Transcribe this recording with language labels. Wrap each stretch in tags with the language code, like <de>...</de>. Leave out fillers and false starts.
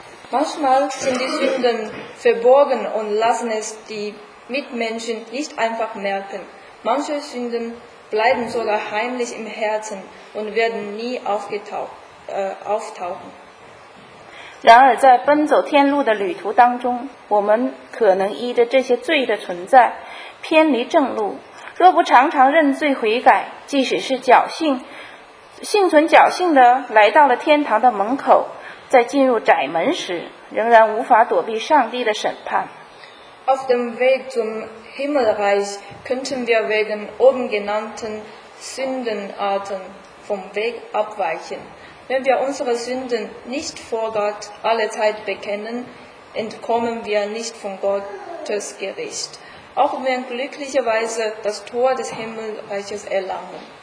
<de>Manchmal sind die Sünden verborgen und lassen es die Mitmenschen nicht einfach merken. Manche Sünden bleiben sogar heimlich im Herzen und werden nie auftauchen.</de> <zh>然而在奔走天路的旅途当中，我们可能依着这些罪的存在偏离正路。若不常常认罪悔改，即使是侥幸，幸存侥幸地来到了天堂的门口， 在进入窄门时，仍然无法躲避上帝的审判。</zh> <de>Auf dem Weg zum Himmelreich könnten wir wegen oben genannten Sündenarten vom Weg abweichen. Wenn wir unsere Sünden nicht vor Gott alle Zeit bekennen, entkommen wir nicht von Gottes Gericht, auch wenn glücklicherweise das Tor des Himmelreiches erlangen.</de>